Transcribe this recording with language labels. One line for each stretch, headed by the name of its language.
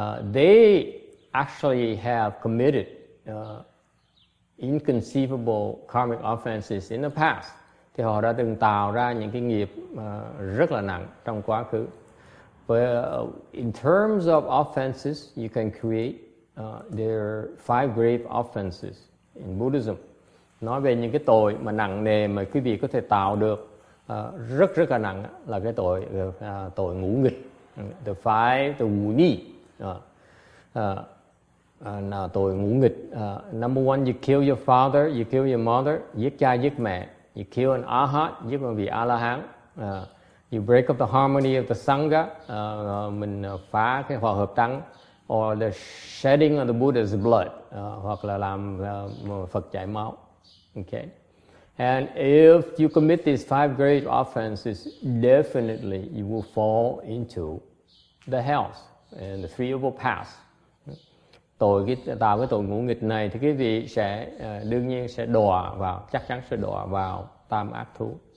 English: They actually have committed inconceivable karmic offenses in the past.
Vietnamese: Thì họ đã từng tạo ra những cái nghiệp rất là nặng trong quá khứ.
English: But in terms of offenses, you can create there are five grave offenses in Buddhism.
Vietnamese: Nói về những cái tội mà nặng nề mà quý vị có thể tạo được rất rất là nặng là cái tội tội ngũ nghịch,
English: the five,
Vietnamese: the ngũ ni. Nào tội ngũ nghịch.
English: Number one, you kill your father, you kill your mother,
Vietnamese: giết cha giết mẹ.
English: You kill an arhat,
Vietnamese: giết một vị A-la-hán.
English: You break up the harmony of the sangha,
Vietnamese: mình phá cái hòa hợp tăng.
English: Or the shedding of the Buddha's blood,
Vietnamese: hoặc là làm Phật chảy máu.
English: Okay. And if you commit these five great offenses, definitely you will fall into the hells and the three evil paths.
Vietnamese: Tội cái tạo cái tội ngũ nghịch này thì quý vị sẽ đương nhiên sẽ đọa vào, chắc chắn sẽ đọa vào tam ác thú.